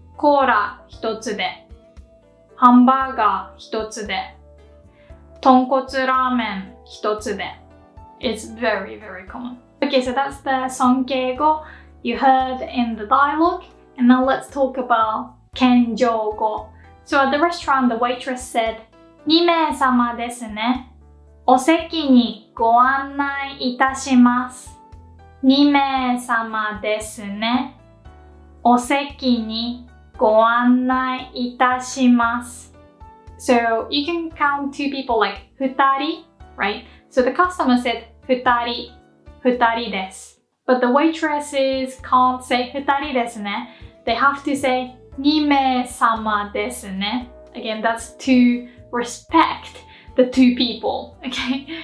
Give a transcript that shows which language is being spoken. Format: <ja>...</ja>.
<ja>コーラ一つで, ハンバーガー一つで、豚骨ラーメン一つで。</ja> <en>It's very, very common. Okay, so that's the 尊敬語 you heard in the dialogue. And now let's talk about 謙譲語 So at the restaurant, the waitress said,</en> <ja>2名様ですね。お席にご案内いたします。 2名様ですね。お席にご案内いたします。</ja> <en>So you can count two people like 二人, right? So the customer said</en> <ja>二人, 二人です.</ja> <en>But the waitresses can't say</en> <ja>二人ですね.</ja> <en>They have to say</en> <ja>二名様ですね.</ja> <en>Again, that's to respect the two people, okay?</en>